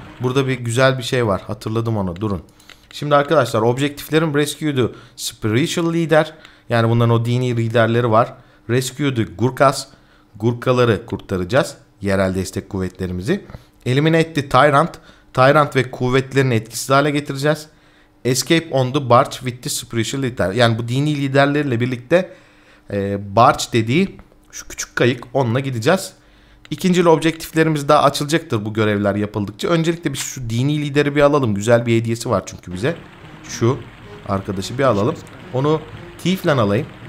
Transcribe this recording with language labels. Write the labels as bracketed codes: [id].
[tr] Burada bir güzel bir şey var. Hatırladım onu, durun. Şimdi arkadaşlar objektiflerim Rescued'u Spiritual Leader. Yani bunların o dini liderleri var. Rescued'u Gurkhas. Gurkhaları kurtaracağız. Yerel destek kuvvetlerimizi. Eliminate'di Tyrant. Tyrant ve kuvvetlerini etkisiz hale getireceğiz. [en] Escape on the Barge with the Spiritual Leader. [tr] Yani bu dini liderleriyle birlikte Barge dediği şu küçük kayık, onunla gideceğiz. İkincil objektiflerimiz daha açılacaktır bu görevler yapıldıkça. Öncelikle biz şu dini lideri bir alalım. Güzel bir hediyesi var çünkü bize. Şu arkadaşı bir alalım. Onu Thief'le alayım.